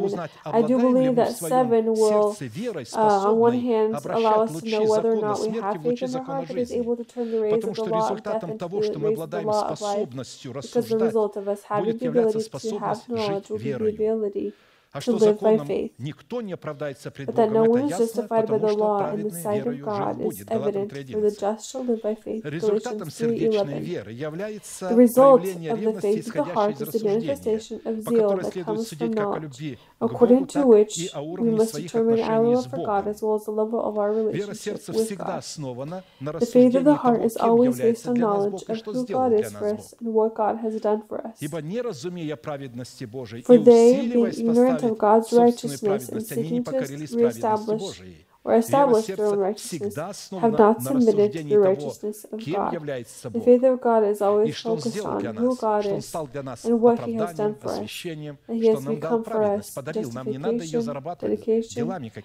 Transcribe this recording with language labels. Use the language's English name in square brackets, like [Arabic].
[English] And I do believe that 7 will, on one hand, allow us to know whether or not we have faith in our heart that is able to turn the rays of the law of death into the rays of the law of life, because the result of us having the ability to have knowledge will be the ability [Russian] А что законом никто не оправдается пред Богом, это ясно, потому что праведный верою будет. Результатом сердечной веры является проявление ревности, исходящей из рассуждения, по которой следует судить как о любви к Богу, так и о уровне своих отношений с Богом. Вера сердца всегда основана на рассуждении того, кем является для нас Бог и что сделал для нас Бог. Ибо не разумея праведности Божией и усиливаясь поставить [English] of God's righteousness and seeking to reestablish or establish their own righteousness have not submitted to the righteousness of God. The faith of God is always focused on who God is and what He has done for us, that He has become for us justification, dedication.